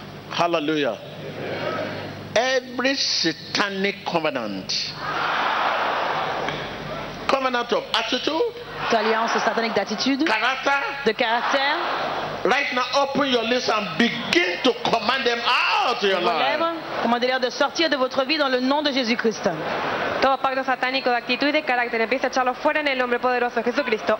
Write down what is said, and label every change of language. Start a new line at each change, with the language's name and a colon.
English: Hallelujah. Every satanic covenant. Covenant of attitude.
French: Alliance satanique d'attitude.
English: Character.
French: De caractère.
English: Right now, open your lips and begin to command them out of your life.
French: Commandez-leur de sortir de votre vie dans le nom de Jésus-Christ.
Spanish: Todo pacto satánico de actitud y de carácter empieza a echarlo fuera en el nombre poderoso de Jesucristo.